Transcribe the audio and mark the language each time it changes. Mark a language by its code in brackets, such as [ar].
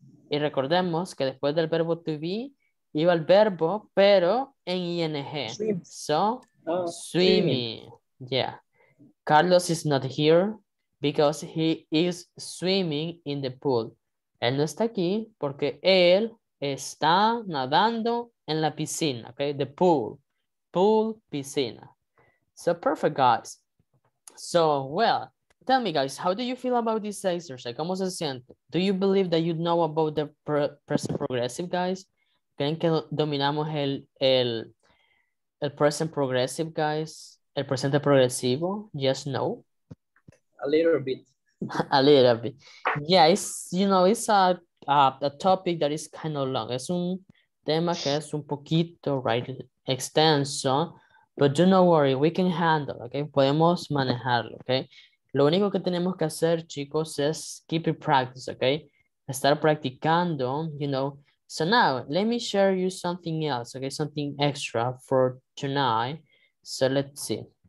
[es] Y recordemos que después del verbo to be, iba el verbo, pero en ing. [en] Swimming. Yeah. Carlos is not here because he is swimming in the pool. [es] Él no está aquí porque él... está nadando en la piscina, okay? The pool. [en] Pool, piscina. So, perfect, guys. So, well, tell me, guys, how do you feel about this exercise? ¿Cómo se siente? Do you believe that you know about the present progressive, guys? [es] ¿Creen que dominamos el present progressive, guys? ¿El presente progresivo? Yes, no? [en] A little bit. A little bit. Yeah, it's, you know, it's a... a topic that is kind of long. [es] Es un tema que es un poquito, right, extenso. [en] But do not worry, we can handle, okay? Podemos manejarlo, okay? [es] Lo único que tenemos que hacer, chicos, es keep it practice, okay? [en] Estar practicando, you know. So now, let me share you something else, okay? Something extra for tonight. So let's see.